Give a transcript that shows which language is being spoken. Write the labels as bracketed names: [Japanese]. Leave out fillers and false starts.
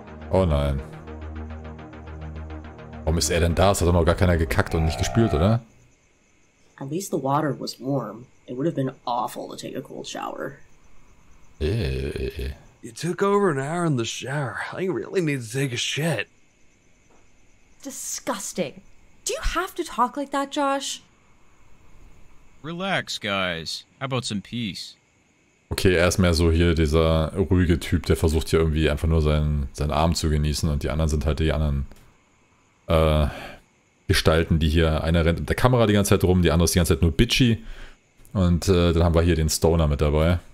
[German] Oh nein. Warum ist er denn da? Es hat doch noch gar keiner gekackt und nicht gespült, oder? [English] At least the water was warm. It would have been awful to take a cold shower. You took over an hour in the shower. I really need to take a shit. Disgusting. Do you have to talk like that, Josh? Relax, guys. How about some peace? [German] Okay, er ist mehr so hier dieser ruhige Typ, der versucht hier irgendwie einfach nur seinen Abend zu genießen und die anderen sind halt die anderen Gestalten, die hier, einer rennt mit der Kamera die ganze Zeit rum, die andere ist die ganze Zeit nur bitchy und dann haben wir hier den Stoner mit dabei.